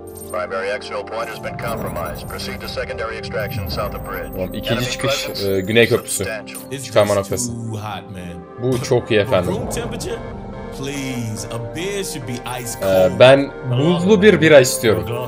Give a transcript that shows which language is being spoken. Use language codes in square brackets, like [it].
[en] primary axial point has been compromised. Proceed to secondary extraction south of bridge. [tr] Oğlum, ikinci çıkış Güney Köprüsü. Çıkarma noktası. Bu çok iyi efendim. [en] Please, a beer should be ice cold. [tr] Ben buzlu bir bira istiyorum.